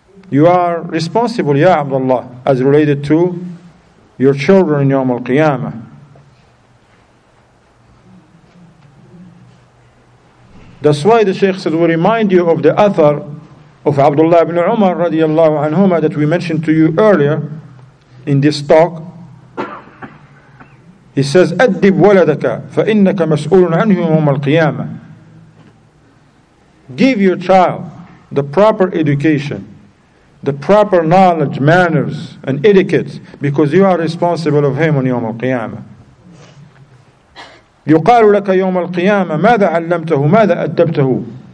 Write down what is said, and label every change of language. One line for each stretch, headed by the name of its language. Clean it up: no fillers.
English: You are responsible, Ya Abdullah, as related to your children in Yawm Al-Qiyamah. That's why the Shaykh said, we remind you of the athar of Abdullah ibn Umar radiallahu anhuma that we mentioned to you earlier in this talk. He says,
Arabic: أَدِّبْ وَلَدَكَ فَإِنَّكَ مَسْؤُولٌ عَنْهُمْ يَوْمَ الْقِيَامَةِ.
English: Give your child the proper education, the proper knowledge, manners, and etiquette, because you are responsible of him on
Arabic: يَوْمَ الْقِيَامَةِ. يُقَالُ لَكَ يَوْمَ الْقِيَامَةِ مَاذَا عَلَّمْتَهُ مَاذَا أَدَّبْتَهُ.